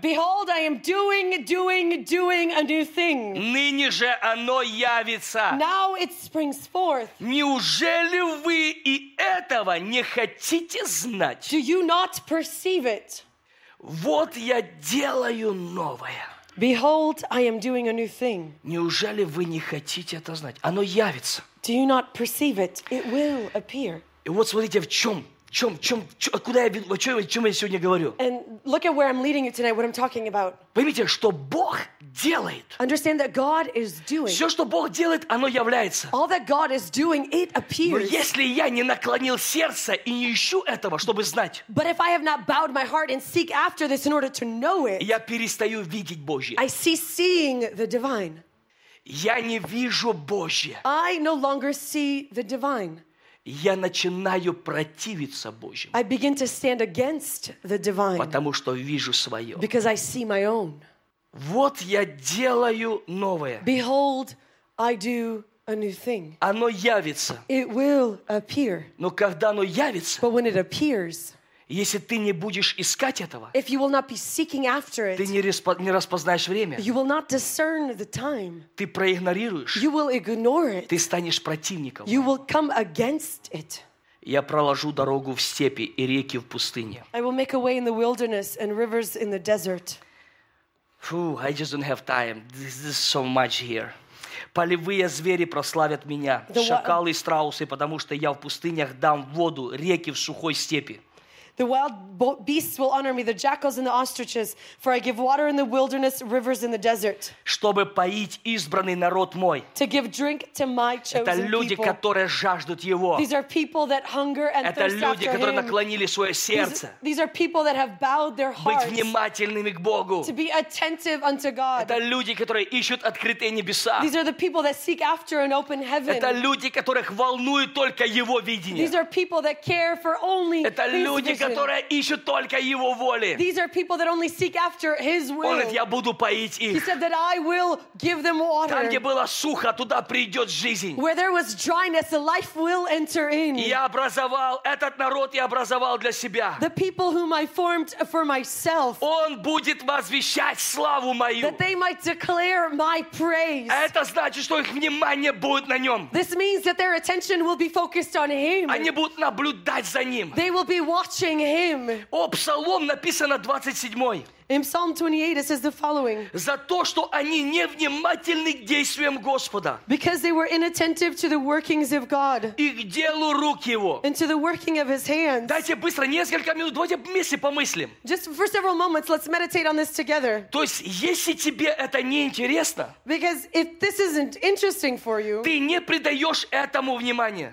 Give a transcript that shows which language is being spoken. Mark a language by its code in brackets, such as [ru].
[en] Behold, I am doing a new thing. [ru] Ныне же оно явится. [en] Now it springs forth. [ru] Неужели вы и этого не хотите знать? [en] Do you not perceive it? [ru] Вот я делаю новое. [en] Behold, I am doing a new thing. [ru] Неужели вы не хотите это знать? Оно явится. [en] Do you not perceive it? It will appear. [ru] И вот смотрите, в чем, откуда я, о чем я сегодня говорю. [en] And look at where I'm leading you tonight, what I'm talking about. [ru] Поймите, что Бог делает. [en] Understand that God is doing. [ru] Все, что Бог делает, оно является. [en] All that God is doing, it appears. [ru] Но если я не наклонил сердце и не ищу этого, чтобы знать. [en] But if I have not bowed my heart and seek after this in order to know it. [ru] Я перестаю видеть Божье. [en] I cease seeing the divine. [ru] Я не вижу Божье. [en] I no longer see the divine. [ru] Я начинаю противиться Божьему. [en] I begin to stand against the divine. [ru] Потому что вижу свое. [en] Because I see my own. [ru] Вот я делаю новое. [en] Behold, I do a new thing. [ru] Оно явится. [en] It will appear. [ru] Но когда оно явится, [en] but when it appears, [ru] если ты не будешь искать этого, [en] if you will not be seeking after it, [ru] ты не распознаешь время, [en] you will not discern the time, [ru] ты проигнорируешь, [en] you will ignore it, [ru] ты станешь противником, [en] you will come against it. [ru] Я проложу дорогу в степи и реки в пустыне. [en] I will make a way in the wilderness and rivers in the desert. Фух, I just don't have time. This is so much here. [ru] Полевые звери прославят меня, шакалы и страусы, потому что я в пустынях дам воду, реки в сухой степи. [en] The wild beasts will honor me, the jackals and the ostriches, for I give water in the wilderness, rivers in the desert. [ru] Чтобы поить избранный народ мой. [en] To give drink to my chosen people. [ru] Это люди, которые жаждут его. [en] These are people that hunger and thirst after Him. [ru] Это люди, которые наклонили свое сердце. [en] These are people that have bowed their hearts. [ru] Быть внимательными к Богу. [en] To be attentive unto God. [ru] Это люди, которые ищут открытые небеса. [en] These are the people that seek after an open heaven. [ru] Это люди, которых волнует только Его видение. [en] These are people that care for only [ru] Это [en] His [ru] люди, [en] vision. [ru] Которые ищут только Его воли. [en] These are people that only seek after His will. [ru] Он говорит, я буду поить их. [en] He said that I will give them water. [ru] Там, где было сухо, туда придет жизнь. [en] Where there was dryness, the life will enter in. [ru] Я образовал этот народ, я образовал для себя. [en] The people whom I formed for myself. [ru] Он будет возвещать славу мою. [en] That they might declare my praise. [ru] Это значит, что их внимание будет на нем. [en] This means that their attention will be focused on Him. [ru] Они будут наблюдать за ним. [en] They will be watching Him. [ru] О, Псалом написано 27-й. [en] In Psalm 28, it says the following. [ru] За то, что они невнимательны к действиям Господа. [en] Because they were inattentive to the workings of God. [ru] И к делу рук Его. [en] And to the working of His hands. [ru] Дайте быстро, несколько минут, давайте вместе помыслим. [en] Just for several moments, let's meditate on this together. [ru] То есть, если тебе это не интересно. [en] Because if this isn't interesting for you. [ru] Ты не придаешь этому внимания.